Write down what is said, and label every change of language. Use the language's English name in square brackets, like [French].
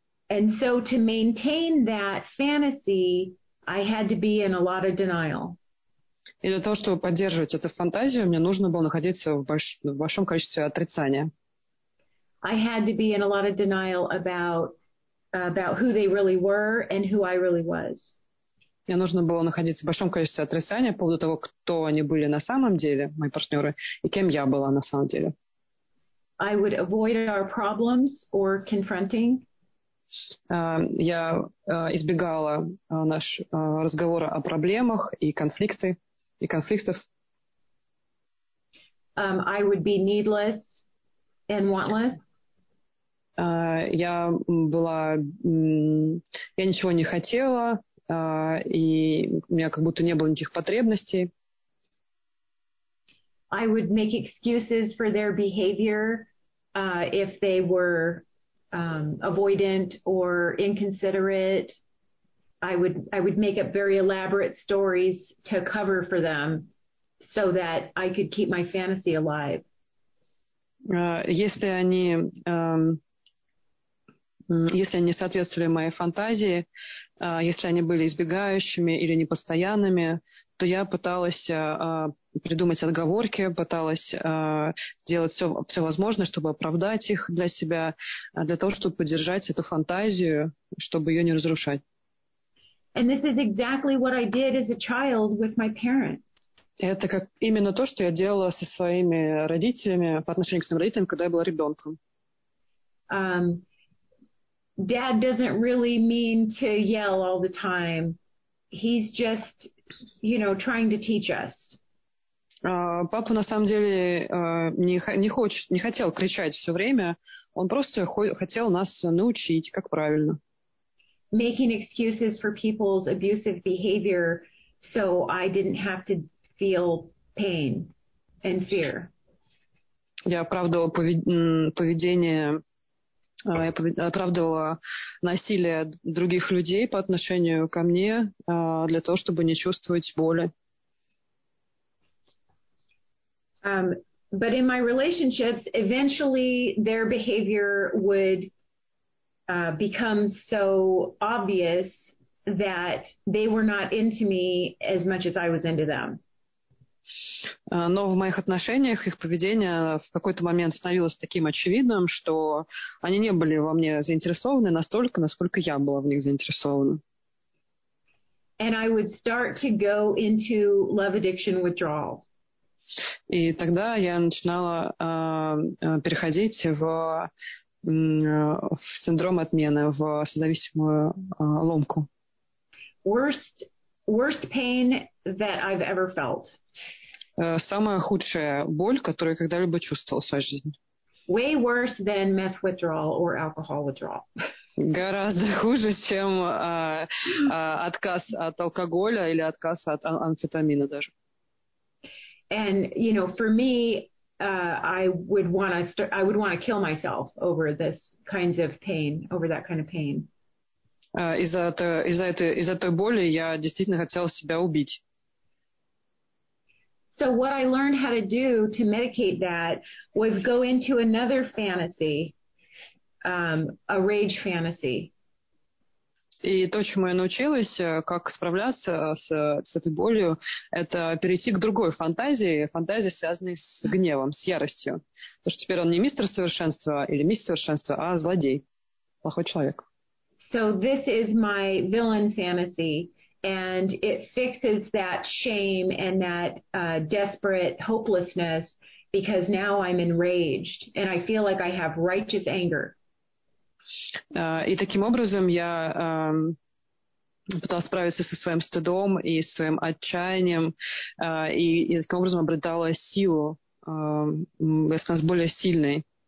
[English] And so to maintain that fantasy, I had to be in a lot of denial. [Russian] И для того, чтобы поддерживать эту фантазию, мне нужно было находиться в большом количестве отрицания. [English] I had to be in a lot of denial about who they really were and who I really was. [Russian] Мне нужно было находиться в большом количестве отрицания по поводу того, кто они были на самом деле, мои партнеры, и кем я была на самом деле. [English] I would avoid our problems or confronting. [Russian] Я избегала наш разговора о проблемах и конфликтов. [English] I would be needless and wantless. [Russian] Я была, я ничего не хотела, и у меня как будто не было никаких потребностей. [English] I would make excuses for their behavior. If they were avoidant or inconsiderate, I would make up very elaborate stories to cover for them so that I could keep my fantasy alive. [Russian] Если они если они соответствовали моей фантазии, если они были избегающими или непостоянными, то я пыталась придумать отговорки, пыталась сделать все возможное, чтобы оправдать их для себя, для того, чтобы поддержать эту фантазию, чтобы ее не разрушать. Это как именно то, что я делала со своими родителями, по отношению к своим родителям, когда я была ребенком. [English] Dad doesn't really mean to yell all the time. He's just, you know, trying to teach us. [Russian] Папа на самом деле не хотел кричать все время. Он просто хотел нас научить, как правильно. [English] Making excuses for people's abusive behavior so I didn't have to feel pain and fear. [Russian] Я оправдывал поведение. Я оправдывала насилие других людей по отношению ко мне для того, чтобы не чувствовать боли. [English] But in my relationships, eventually their behavior would become so obvious that they were not into me as much as I was into them. [Russian] Но в моих отношениях их поведение в какой-то момент становилось таким очевидным, что они не были во мне заинтересованы настолько, насколько я была в них заинтересована. [English] And I would start to go into love addiction withdrawal. [Russian] И тогда я начинала переходить в синдром отмены, в созависимую ломку. [English] Worst pain that I've ever felt. [Russian] Самая худшая боль, которую я когда-либо чувствовал в своей жизни. [English] Way worse than meth withdrawal or alcohol withdrawal. [Russian] Гораздо хуже, чем отказ от алкоголя или отказ от амфетамина даже. [English] And you know, for me, I would want to kill myself over this kinds of pain, over that kind of pain. [Russian] Из-за той боли я действительно хотела себя убить. [English] So what I learned how to do to medicate that was go into another fantasy, a rage fantasy. [Russian] И то, чему я научилась, как справляться с этой болью, это перейти к другой фантазии, фантазии, связанной с гневом, с яростью. Потому что теперь он не мистер совершенства или мисс совершенства, а злодей, плохой человек. [English] So this is my villain fantasy. And it fixes that shame and that desperate hopelessness because now I'm enraged and I feel like I have righteous anger. [Russian] И таким образом я пыталась справиться со своим стыдом и своим отчаянием, и таким образом обретала силу, становилась более сильной.